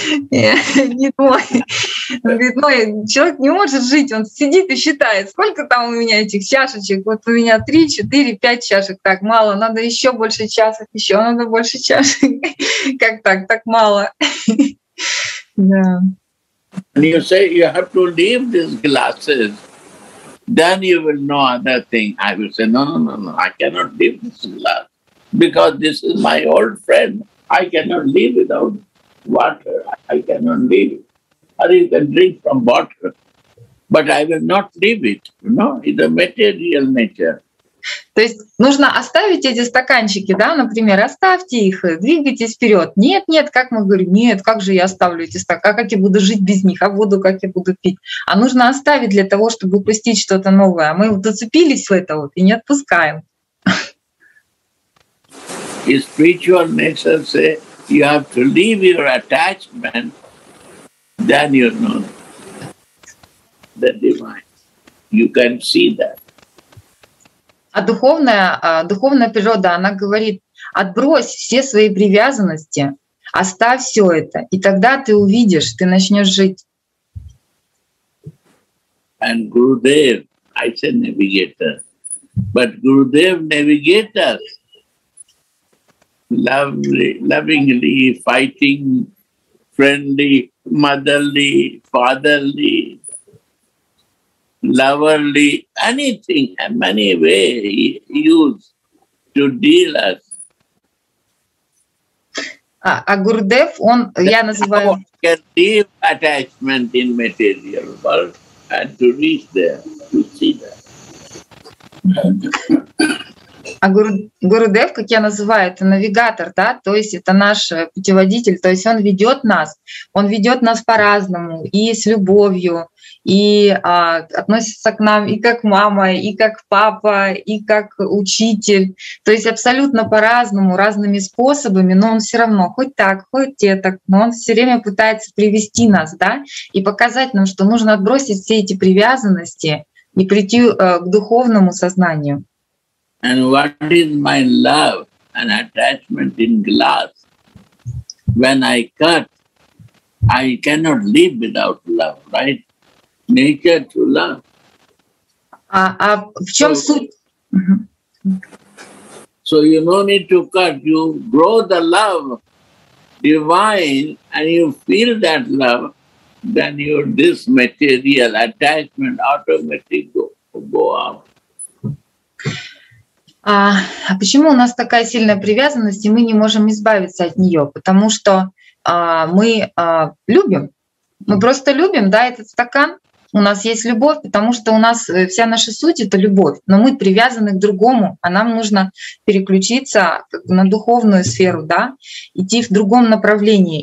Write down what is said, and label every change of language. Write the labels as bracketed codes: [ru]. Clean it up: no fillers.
[ru] Нет, он говорит, ну, человек не может жить, он сидит и считает, сколько там у меня этих чашечек, вот у меня 3, 4, 5 чашек, так мало, надо еще больше чашек, еще надо больше чашек, как так мало. [en] And you say you have to leave these glasses. Then you will know another thing. I will say, no, I cannot leave this glass because this is my old friend. I cannot live without water. I cannot live. Or you can drink from water, but I will not leave it. You know, it's a material nature. [ru] То есть нужно оставить эти стаканчики, да, например, оставьте их, двигайтесь вперед. Нет, как мы говорим, нет, как же я оставлю эти стаканчики, а как я буду жить без них, а воду как я буду пить? А нужно оставить для того, чтобы упустить что-то новое. А мы вот зацепились в это вот и не отпускаем. [en] The spiritual nature say you have to leave your attachment, then you know the divine. You can see that. [ru] А духовная природа, она говорит, отбрось все свои привязанности, оставь все это, и тогда ты увидишь, ты начнешь жить. [en] And Gurudev, I say navigator, but Gurudev navigator, lovingly, fighting, friendly, motherly, fatherly, loverly, anything, many ways used to deal us. [ru] А Гурдев, он, я называю... [en] How one can leave attachment in material world and to reach there, to see that. [ru] А Гурудев, как я называю, это навигатор, да, то есть это наш путеводитель, то есть он ведет нас по-разному, и с любовью, и относится к нам и как мама, и как папа, и как учитель, то есть абсолютно по-разному, разными способами, но он все равно, хоть так, хоть этак, но он все время пытается привести нас, да, и показать нам, что нужно отбросить все эти привязанности и прийти к духовному сознанию. [en] And what is my love and attachment in glass? when I cut, I cannot live without love, right? Nature to love. [ru] А в чем so, суть? [en] So you no need to cut, you grow the love divine and you feel that love, then your this material attachment automatically go out. [ru] А почему у нас такая сильная привязанность, и мы не можем избавиться от нее? Потому что мы любим. Мы просто любим, да, этот стакан. У нас есть любовь, потому что у нас вся наша суть — это любовь. Но мы привязаны к другому, а нам нужно переключиться на духовную сферу, да, идти в другом направлении.